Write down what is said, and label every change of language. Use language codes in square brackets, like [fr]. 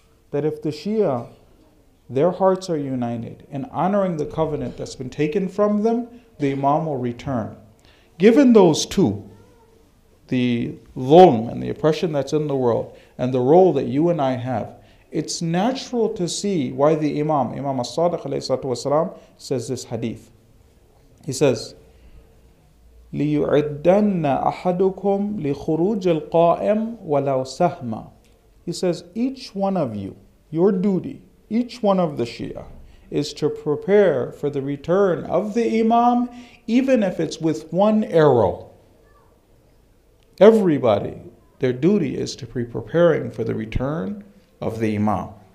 [en] That if the Shia, their hearts are united in honoring the covenant that's been taken from them, the Imam will return. Given those two, the dhulm and the oppression that's in the world, and the role that you and I have, it's natural to see why the Imam As-Sadiq alayhi salatu wasalam, says this hadith. He says, [ar] لِيُعِدَّنَّ أَحَدُكُمْ لِخُرُوجِ الْقَائِمْ وَلَوْ سَهْمَ. [en] He says, each one of you, your duty, each one of the Shia, is to prepare for the return of the Imam, even if it's with one arrow. Everybody, their duty is to be preparing for the return of the Imam.